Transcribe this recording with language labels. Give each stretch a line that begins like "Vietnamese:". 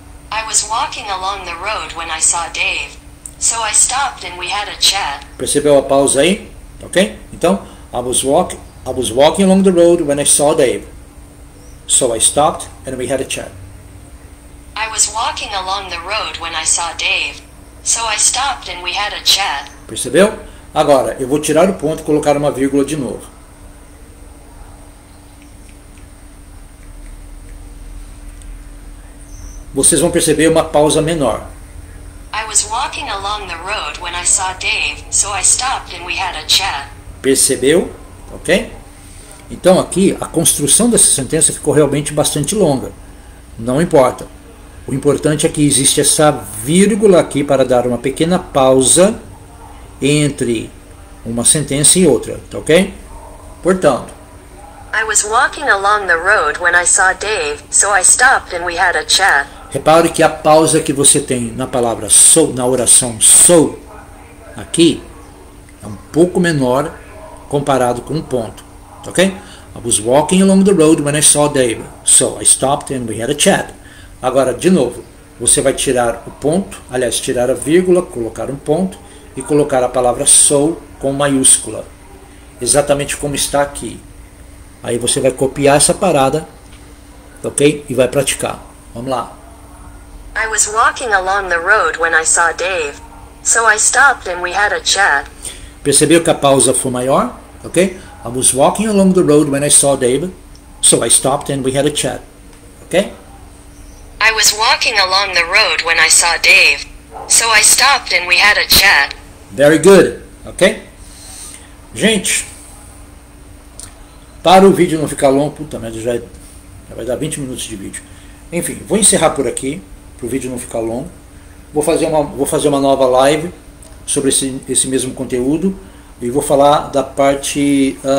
English: I was walking along the road when I saw Dave. So I stopped and we had a chat.
Portuguese: Percebeu a pausa aí? Tá ok? Então,
English: I was walking along the road when I saw Dave. So I stopped and we had a chat. I was walking along the road when I saw Dave. So I stopped and we had a chat.
Portuguese: Percebeu? Agora, eu vou tirar o ponto e colocar uma vírgula de novo. Vocês vão perceber uma pausa menor.
English: I was walking along the road when I saw Dave. So I stopped and we had a chat.
Portuguese: Percebeu? Ok? Então aqui a construção dessa sentença ficou realmente bastante longa. Não importa. O importante é que existe essa vírgula aqui para dar uma pequena pausa entre uma sentença e outra. Ok? Portanto.
English: I was walking along the road when I saw Dave, so I stopped and we had a chat.
Portuguese: Repare que a pausa que você tem na palavra so, na oração so, aqui, é um pouco menor comparado com um ponto, ok?
English: I was walking along the road when I saw Dave, so I stopped and we had a chat.
Portuguese: Agora, de novo, você vai tirar o ponto, aliás, tirar a vírgula, colocar um ponto e colocar a palavra so com maiúscula, exatamente como está aqui. Aí você vai copiar essa parada, ok? E vai praticar. Vamos lá.
English: I was walking along the road when I saw Dave, so I stopped and we had a chat.
Portuguese: Percebeu que a pausa foi maior? Ok?
English: I was walking along the road when I saw Dave, so I stopped and we had a chat. Ok? I was walking along the road when I saw Dave, So I stopped and we had a chat. Very good. Ok?
Portuguese: Gente, para o vídeo não ficar longo, puta merda, já vai dar 20 minutos de vídeo. Enfim, vou encerrar por aqui, para o vídeo não ficar longo. Vou fazer uma nova live sobre esse mesmo conteúdo e vou falar da parte...